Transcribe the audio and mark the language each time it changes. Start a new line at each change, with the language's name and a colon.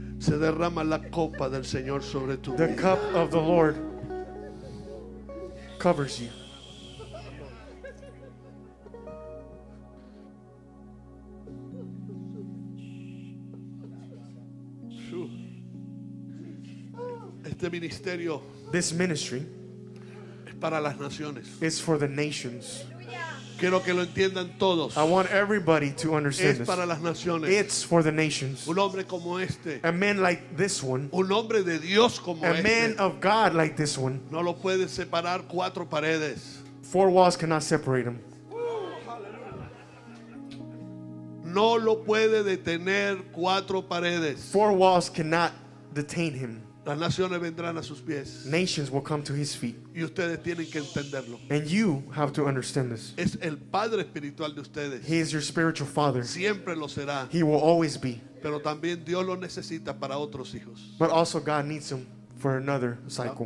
Spanish: Se derrama la copa del Señor sobre tu vida.
English: The cup of the Lord covers you.
Spanish: Este ministerio,
English: this ministry,
Spanish: es para las naciones.
English: Is for the nations.
Spanish: Quiero que lo entiendan todos.
English: I want everybody to understand
Spanish: es para
English: this.
Spanish: Las naciones.
English: It's for the nations.
Spanish: Un hombre como este,
English: a man like this one,
Spanish: un hombre de Dios como
English: a
Spanish: este,
English: man of God like this one,
Spanish: no lo puede separar cuatro paredes.
English: Four walls cannot separate him.
Spanish: No lo puede detener cuatro paredes.
English: Four walls cannot detain him.
Spanish: Las naciones vendrán a sus pies.
English: Nations will come to his feet.
Spanish: Y ustedes tienen que entenderlo.
English: And you have to understand this.
Spanish: Es el padre espiritual de ustedes.
English: He is your spiritual father.
Spanish: Siempre lo será.
English: He will always be.
Spanish: Pero también Dios lo necesita para otros hijos.
English: But also God needs him for another cycle.